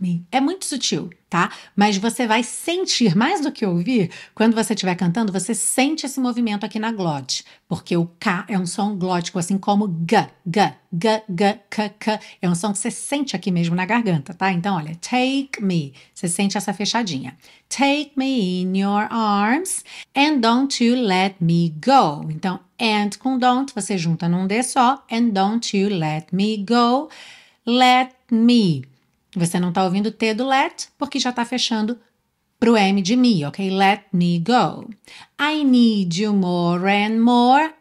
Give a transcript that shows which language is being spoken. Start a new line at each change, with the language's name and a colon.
Portuguese: É muito sutil, tá? Mas você vai sentir, mais do que ouvir, quando você estiver cantando, você sente esse movimento aqui na glote. Porque o K é um som glótico, assim como G, G, G, G, K, K. É um som que você sente aqui mesmo na garganta, tá? Então, olha,
English: take me.
Portuguese: Você sente essa fechadinha.
English: Take me in your arms and don't you let me go.
Portuguese: Então, and com don't, você junta num D só.
English: And don't you let me go. Let me.
Portuguese: Você não está ouvindo T do let, porque já está fechando para o M de me, ok?
English: Let me go. I need you more and more.